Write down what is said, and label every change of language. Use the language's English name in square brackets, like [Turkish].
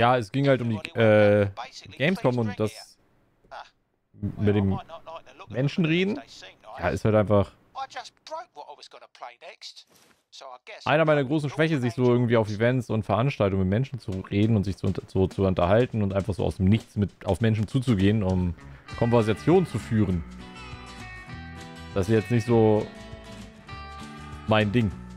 [German] Ja, es ging halt um die Gamescom und das mit dem Menschen reden. Ja, ist halt einfach. [English] I just broke what I was gonna play next. [German] Einer meiner großen Schwächen, sich so irgendwie auf Events und Veranstaltungen mit Menschen zu reden und sich zu unterhalten und einfach so aus dem Nichts mit auf Menschen zuzugehen, um Konversationen zu führen. Das ist jetzt nicht so mein Ding.